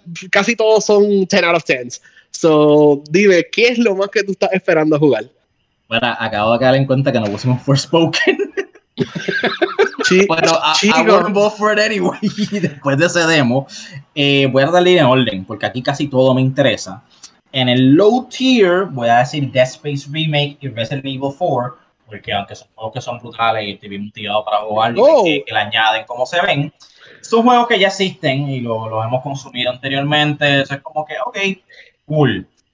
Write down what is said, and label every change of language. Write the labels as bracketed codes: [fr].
[es] casi todos son [en] 10 out of 10. So, [es] dime, ¿qué es lo más que tú estás esperando jugar? Bueno, acabo de caer en cuenta que no pusimos Forspoken. Pero [en] I won't vote for it anyway. [es] Después de ese demo, voy a darle en orden, porque aquí casi todo me interesa. En el low tier, voy a decir Dead Space Remake y Resident Evil 4, porque aunque son juegos que son brutales y estoy bien motivado para jugarlos, que le añaden cómo se ven, son juegos que ya existen y los hemos consumido anteriormente, eso es como que, ok, cool.